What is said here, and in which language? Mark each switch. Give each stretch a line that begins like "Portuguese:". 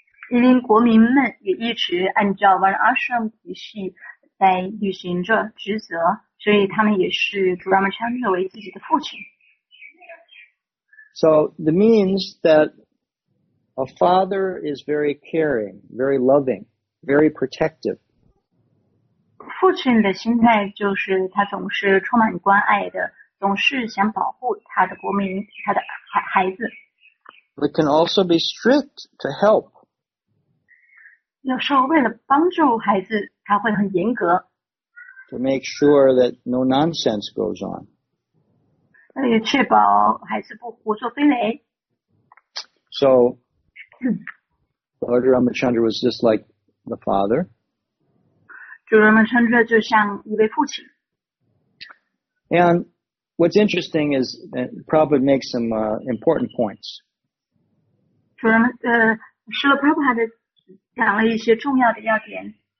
Chinese: 因为国民们也一直按照 Varnan Ashram 体系在履行着职责，所以他们也是 主 Ramachandra 为自己的父亲。
English: So the means that a father is very caring, very loving, very protective.
Chinese: 父亲的心态就是他总是充满关爱的，总是想保护他的国民，他的孩子。
English: But can also be strict to help.
Chinese: 有时候为了帮助孩子，他会很严格。
English: To make sure that no nonsense goes on.
Chinese: 也确保孩子不胡作非为。
English: So, Lord Ramachandra was just like the father.
Chinese: 主 Ramachandra 就像一位父亲。
English: And what's interesting is Prabhupada makes some important points.
Chinese: 主 Ramachandra, 是了 Prabhupada 讲了一些重要的要点。